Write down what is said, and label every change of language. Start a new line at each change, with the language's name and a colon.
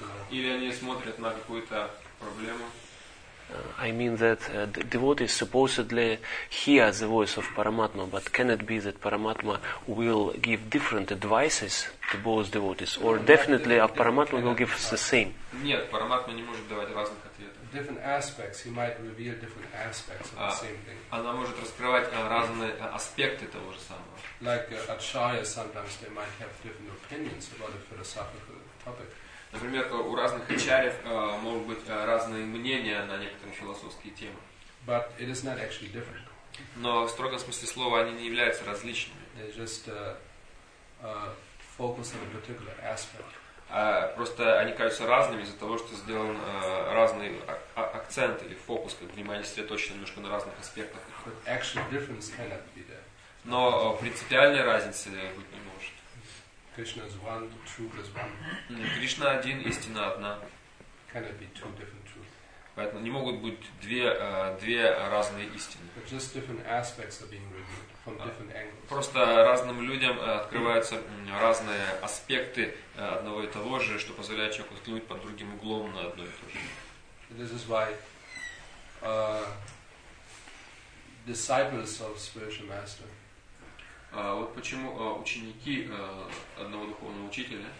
Russian: Или они смотрят на какую-то проблему?
English: I mean that the devotee is supposedly hear the voice of Paramatma, but can it be that Paramatma will give different advices to both devotees, or definitely Paramatma will give the same?
Russian: Нет, Paramatma не может давать разных ответов.
English: Different aspects, he might reveal different aspects of the same thing.
Russian: Она может раскрывать разные аспекты того же самого.
English: Like acharyas, sometimes they might have different opinions about a philosophical topic.
Russian: Например, у разных ачарьев могут быть разные мнения на некоторые философские темы.
English: But it is not actually different.
Russian: Но в строгом смысле слова они не являются различными.
English: They're just focused on a particular aspect.
Russian: Просто они кажутся разными из-за того, что сделан разный акцент или фокус, как внимание сосредоточено немножко на разных аспектах.
English: But actually difference cannot be there.
Russian: Но принципиальной разницы быть не может.
English: Krishna is one, the truth is one.
Russian: Кришна один, истина одна.
English: Cannot be two different truths.
Russian: Поэтому не могут быть две разные истины.
English: But just different aspects are being revealed from different angles.
Russian: Просто разным людям открываются разные аспекты одного и того же, что позволяет человеку взглянуть под другим углом на одно и то же.
English: This is why disciples of spiritual master.
Russian: Вот почему ученики одного духовного учителя,